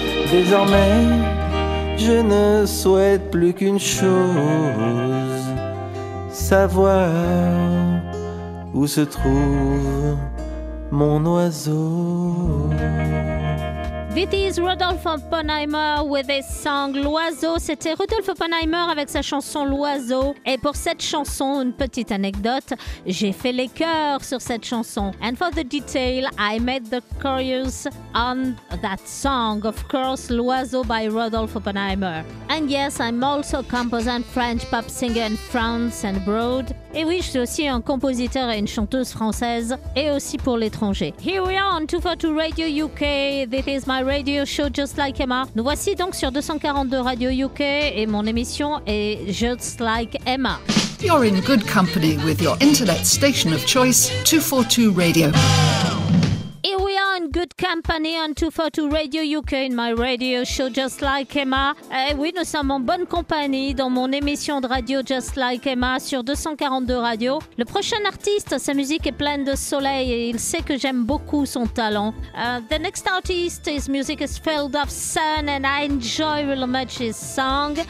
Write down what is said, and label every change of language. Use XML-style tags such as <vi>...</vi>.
<fr>Désormais, je ne souhaite plus qu'une chose, savoir où se trouve mon oiseau.</fr> <en>This is Rodolphe Oppenheimer with his song L'Oiseau.</en> <fr>C'était Rodolphe Oppenheimer avec sa chanson L'Oiseau. Et pour cette chanson, une petite anecdote, j'ai fait les chœurs sur cette chanson.</fr> <en>And for the detail, I made the chorus on that song. Of course, L'Oiseau by Rodolphe Oppenheimer. And yes, I'm also a composer and French pop singer in France and abroad.</en> <fr>Et oui, je suis aussi un compositeur et une chanteuse française, et aussi pour l'étranger.</fr> <en>Here we are on 242 Radio UK. This is my radio show Just Like Emma.</en> <fr>Nous voici donc sur 242 Radio UK et mon émission est Just Like Emma.</fr> <en>You're in good company with your internet station of choice, 242 Radio. Here we are in good company on 242 Radio UK in my radio show Just Like Emma.</en> <fr>Eh oui, nous sommes en bonne compagnie dans mon émission de radio Just Like Emma sur 242 Radio. Le prochain artiste, sa musique est pleine de soleil et il sait que j'aime beaucoup son talent.</fr> <en>The next artist, his music is filled of sun and I enjoy really much his song.</en>